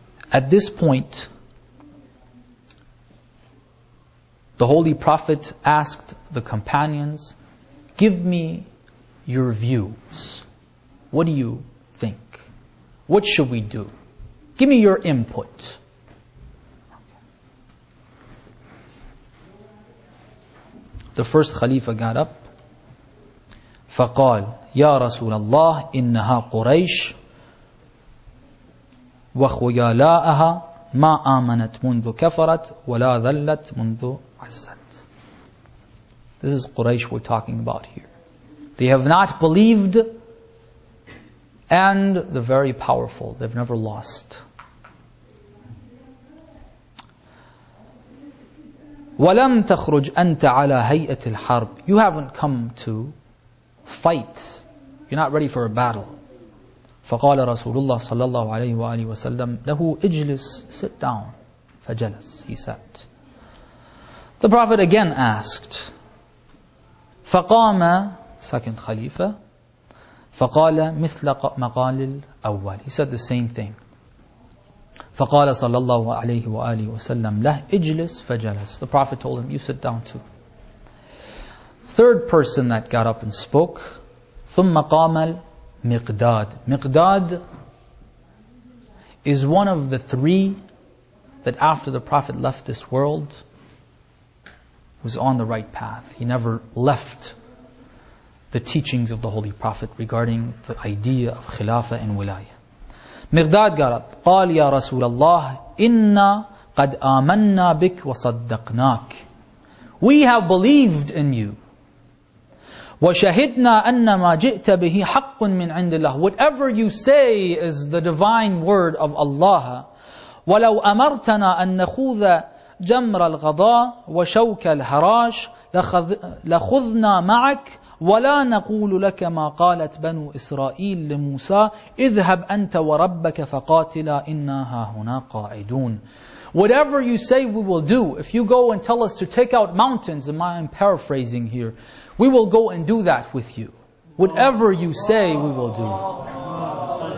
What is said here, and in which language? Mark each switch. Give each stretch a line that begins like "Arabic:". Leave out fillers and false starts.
English: At this point, the Holy Prophet asked the companions, "Give me your views. What do you think? What should we do? Give me your input." The first Khalifa got up.
Arabic: فقال يا رسول الله إنها قريش وخيالاءها ما آمنت منذ كفرت ولا ذلت منذ عزت.
English: This is Quraysh we're talking about here. They have not believed, and they're very powerful. They've never lost.
Arabic: ولم تخرج أنت على هيئة الحرب.
English: You haven't come to fight. You're not ready for a battle.
Arabic: فقال رسول الله صلى الله عليه وآله وسلم له اجلس.
English: Sit down.
Arabic: فجلس.
English: He sat. The Prophet again asked.
Arabic: فقام
English: second
Arabic: خليفة. فقال مثل مقال الأول.
English: He said the same thing.
Arabic: فقال صلى الله عليه وآله وسلم له اجلس. فجلس.
English: The Prophet told him, you sit down too. Third person that got up and spoke,
Arabic: ثُمَّ قَامَ الْمِقْدَاد.
English: مِقْدَاد is one of the three that after the Prophet left this world was on the right path. He never left the teachings of the Holy Prophet regarding the idea of Khilafah and Wilayah. Miqdad got up.
Arabic: قال يا رسول الله إنا قد آمنا بك وصدقناك.
English: We have believed in you.
Arabic: وشهدنا أن ما جئت به حق من عند الله.
English: Whatever you say is the divine word of Allah.
Arabic: ولو أمرتنا أن نخوذ جمر الغضاء وشوك الهراش لخذنا معك ولا نقول لك ما قالت بنو إسرائيل لموسى اذهب أنت وربك فقاتلا إنا هاهنا قاعدون.
English: Whatever you say we will do. If you go and tell us to take out mountains, and I'm paraphrasing here, we will go and do that with you. Whatever you say we will do.